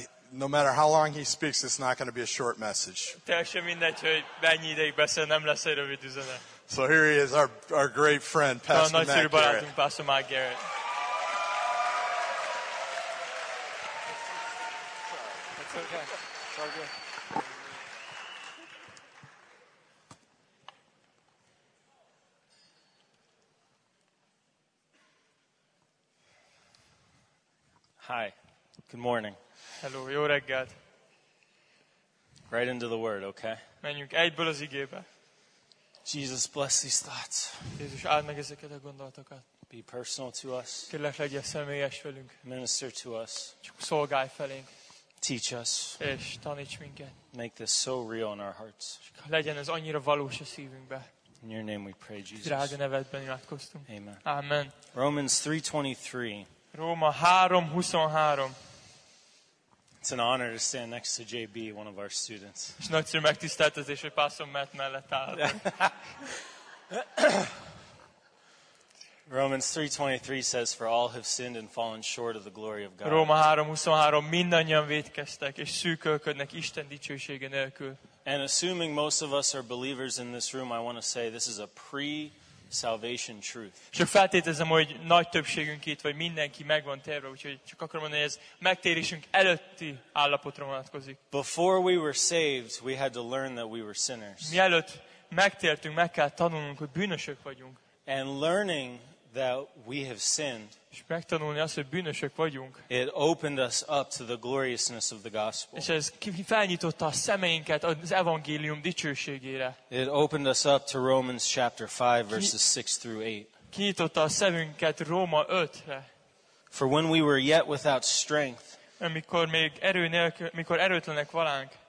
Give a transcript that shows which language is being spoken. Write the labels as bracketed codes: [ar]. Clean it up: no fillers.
[en] No matter how long he speaks, it's not going to be a short message. [hu] Teljesen mindegy, hogy mennyi ideig beszél, nem lesz egy rövid üzenet. [en] So here he is, our great friend, Pastor Matt Garrett. [hu] Barátunk, Pastor Matt Garrett. [en] Hi, good morning. [hu] Hello, jó reggelt. [en] Right into the word, okay? [hu] Menjünk egyből az igébe. [en] Jesus, bless these thoughts. [hu] Jézus, áld meg ezeket a gondolatokat. [en] Be personal to us. [hu] Kérlek, legyél személyes velünk. [en] Minister to us. [hu] Csak szolgálj felénk. [en] Teach us. [hu] És taníts minket. [en] Make this so real in our hearts. [hu] Csak legyen ez annyira valós a szívünkbe. [en] In your name we pray, Jesus. [hu] Drága nevedben imádkoztunk. [en] Amen. [hu] Amen. [en] Romans 3:23. [hu] Róma 3:23. [en] It's an honor to stand next to JB, one of our students. [hu] És nagyszerű megtiszteltetés, hogy Pastor Matt mellett áll. [en] Romans 3:23 says, "For all have sinned and fallen short of the glory of God." [hu] Róma 3:23, mindannyian vétkeztek és szűkölködnek Isten dicsősége nélkül. [en] And assuming most of us are believers in this room, I want to say this is a pre-salvation truth. [hu] Csak feltételezem, hogy nagy többségünk itt, vagy mindenki meg van térve, úgyhogy csak akarom mondani, hogy ez megtérésünk előtti állapotra vonatkozik. [en] Before we were saved, we had to learn that we were sinners. [hu] Mielőtt megtértünk, meg kell tanulnunk, hogy bűnösök vagyunk. [en] And learning that we have sinned, [hu] és megtanulni azt, hogy bűnösök vagyunk, [en] it opened us up to the gloriousness of the gospel. [hu] És ez felnyitotta a szemeinket az evangélium dicsőségére. [en] It opened us up to Romans chapter 5, verses 6-8. [hu] Kinyitotta a szemünket Róma 5-re. [en] For when we were yet without strength, [hu] amikor még erő nélkül, mikor erőtlenek valánk,